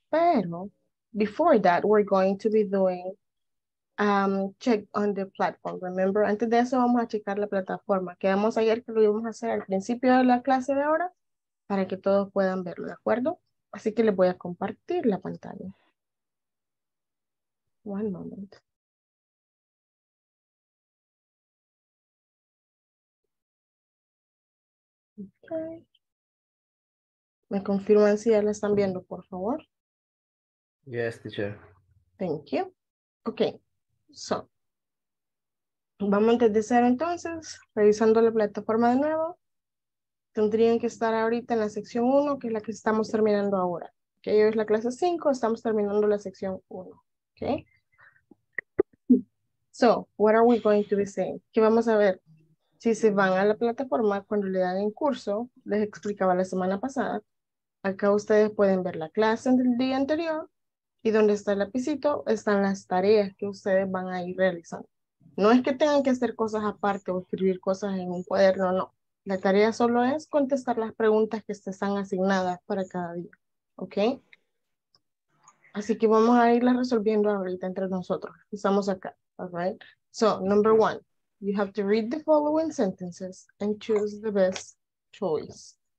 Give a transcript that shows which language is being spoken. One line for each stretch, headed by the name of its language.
English: Pero before that, we're going to be doing check on the platform.
Spanish: Remember, antes de eso vamos a checar la plataforma. Quedamos ayer que lo íbamos a hacer al principio de la clase de ahora para que todos puedan verlo, ¿de acuerdo? Así que les voy a compartir la pantalla.
English: One moment.
Spanish: Okay. ¿Me confirman si ya la están viendo, por favor?
English: Yes, teacher. Thank you. Okay.
Spanish: So, vamos a empezar entonces, revisando la plataforma de nuevo. Tendrían que estar ahorita en la sección 1, que es la que estamos terminando ahora. Okay, hoy es la clase 5, estamos terminando la sección 1.
English: Okay. So, what are we going to be saying?
Spanish: ¿Qué vamos a ver? Si se van a la plataforma, cuando le dan en curso, les explicaba la semana pasada, acá ustedes pueden ver la clase del día anterior. Y donde está el lapicito están las tareas que ustedes van a ir realizando. No es que tengan que hacer cosas aparte o escribir cosas en un cuaderno, no. La tarea solo es contestar las preguntas que se están asignadas para cada día. ¿Ok? Así que vamos a irlas resolviendo ahorita entre nosotros. Estamos acá.
English: All right? So, number one, you have to read the following sentences and choose the best choice.